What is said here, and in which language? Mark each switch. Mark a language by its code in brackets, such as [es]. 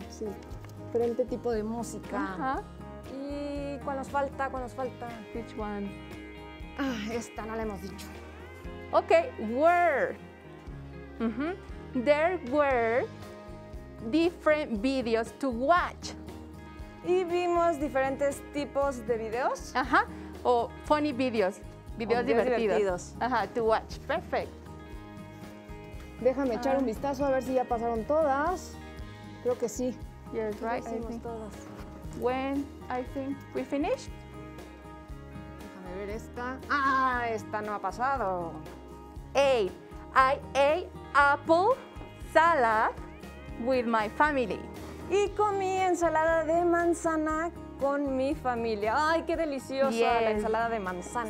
[es] Sí, diferente tipo de música. Uh-huh. ¿Y cuál nos falta? ¿Cuál nos falta? [en] Which one? [es] Ah, esta no la hemos dicho. [en] Ok, were. Uh-huh. There were different videos to watch. [es] Y vimos diferentes tipos de videos. Ajá. O [en] funny videos. [es] Videos divertidos. Ajá, [en] to watch. Perfect. [es] Déjame echar un vistazo a ver si ya pasaron todas. Creo que sí. [en] Yes, right. [es] Hicimos todas. [en] When I think we finished. [es] Déjame ver esta. Ah, esta no ha pasado. [en] I ate apple salad with my family. [es] Y comí ensalada de manzana con mi familia. ¡Ay, qué deliciosa la ensalada de manzana!